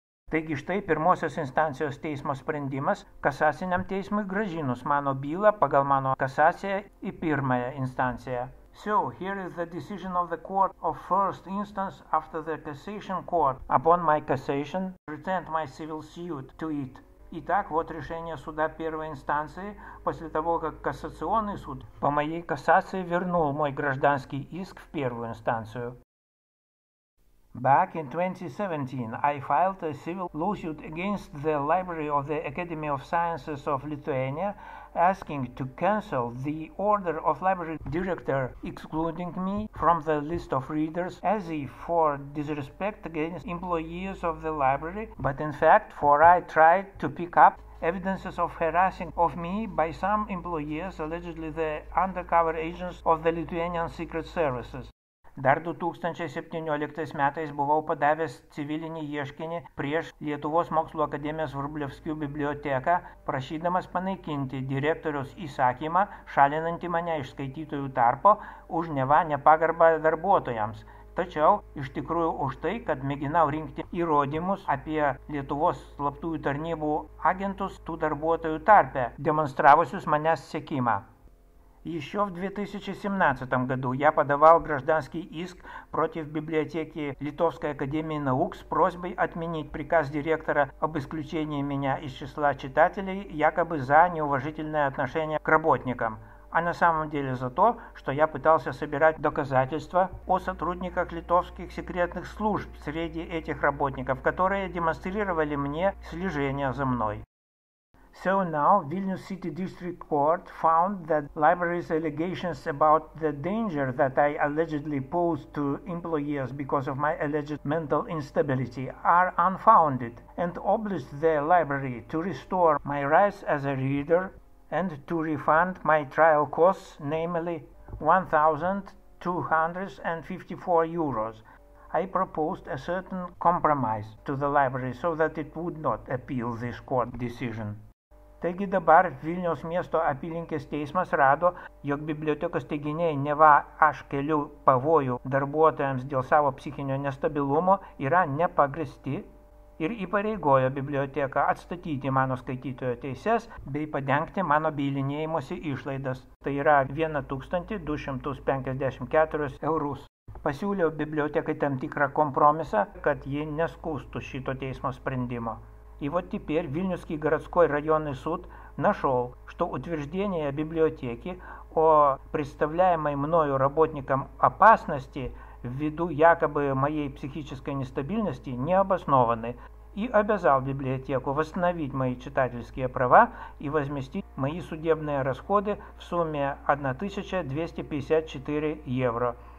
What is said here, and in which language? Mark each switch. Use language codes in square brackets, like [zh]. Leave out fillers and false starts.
[lt] Taigi štai pirmosios instancijos teismo sprendimas kasaciniam teismui grąžinus mano bylą pagal mano kasaciją į pirmąją instanciją. [en] So, here is the decision of the court of first instance after the cassation court. Upon my cassation, returned my civil suit to it. [ru] Итак, вот решение суда первой инстанции после того, как кассационный суд по моей кассации вернул мой гражданский иск в первую инстанцию. [en] Back in 2017, I filed a civil lawsuit against the library of the Academy of Sciences of Lithuania, asking to cancel the order of library director excluding me from the list of readers as if for disrespect against employees of the library, but in fact for I tried to pick up evidences of harassing of me by some employees, allegedly the undercover agents of the Lithuanian Secret Services. [lt] Dar 2017 metais buvau padavęs civilinį ieškinį prieš Lietuvos mokslo akademijos Vrublevskių biblioteką, prašydamas panaikinti direktoriaus įsakymą, šalinantį mane iš skaitytojų tarpo už neva nepagarbą darbuotojams. Tačiau, iš tikrųjų už tai, kad mėginau rinkti įrodymus apie Lietuvos slaptųjų tarnybų agentus tų darbuotojų tarpe, demonstravusius manęs sekimą. [ru] Еще в 2017 году я подавал гражданский иск против библиотеки Литовской академии наук с просьбой отменить приказ директора об исключении меня из числа читателей якобы за неуважительное отношение к работникам, а на самом деле за то, что я пытался собирать доказательства о сотрудниках литовских секретных служб среди этих работников, которые демонстрировали мне слежение за мной. [en] So now, Vilnius City District Court found that library's allegations about the danger that I allegedly posed to employees because of my alleged mental instability are unfounded and obliged the library to restore my rights as a reader and to refund my trial costs, namely €1,254. I proposed a certain compromise to the library so that it would not appeal this court decision. [lt] Taigi dabar Vilniaus miesto apylinkės teismas rado, jog bibliotekos teiginiai neva aš keliu pavojų darbuotojams dėl savo psichinio nestabilumo yra nepagrįsti ir įpareigojo biblioteką atstatyti mano skaitytojo teises bei padengti mano bylinėjimosi išlaidas. Tai yra 1254 eurus. Pasiūliau bibliotekai tam tikrą kompromisą, kad ji neskūstų šito teismo sprendimo. [ru] И вот теперь Вильнюсский городской районный суд нашел, что утверждение библиотеки о представляемой мною работникам опасности ввиду якобы моей психической нестабильности необоснованны, и обязал библиотеку восстановить мои читательские права и возместить мои судебные расходы в сумме 1254 евро.